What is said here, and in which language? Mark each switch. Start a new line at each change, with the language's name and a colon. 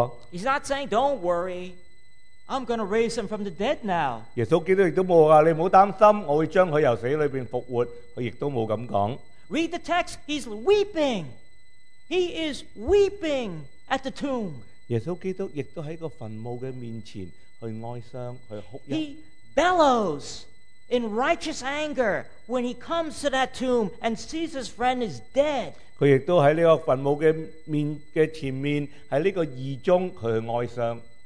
English: He's not saying, don't worry, I'm going to raise him from the dead now.
Chinese: 耶稣基督也没有说，你不要担心，我会将他由死里复活，他也没有这么说。
English: Read the text, he's weeping. He is weeping at the tomb.
Chinese: 耶稣基督也在坟墓的面前去哀伤，去哭泣。
English: He bellows in righteous anger when he comes to that tomb and sees his friend is dead.
Chinese: 他亦都在这个坟墓的前面，在这个义中，他去哀伤。